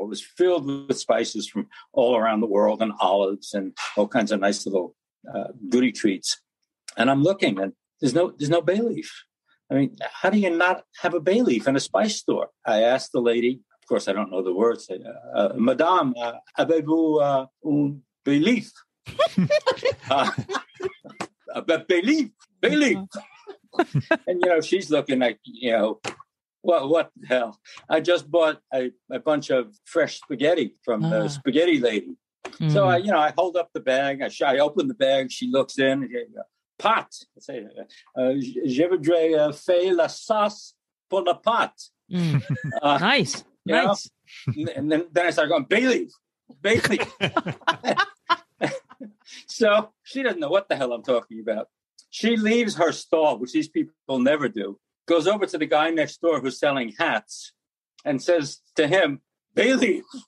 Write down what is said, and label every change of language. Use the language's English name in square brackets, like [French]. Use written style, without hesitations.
[English] It was filled with spices from all around the world, and olives and all kinds of nice little goody treats. And I'm looking, and there's no bay leaf. I mean, how do you not have a bay leaf in a spice store? I asked the lady. Of course, I don't know the words. [French] Madame, avez-vous un [English] bay leaf? bay leaf. And, you know, she's looking like, you know, what the hell? I just bought a bunch of fresh spaghetti from the spaghetti lady. Mm-hmm. So, I hold up the bag. I open the bag. She looks in. Pot. [French] I say, je voudrais faire la sauce pour la pot. [English] Nice. You know? And then I start going, bay leaf. So she doesn't know what the hell I'm talking about. She leaves her stall, which these people never do, goes over to the guy next door who's selling hats and says to him, bay leaf.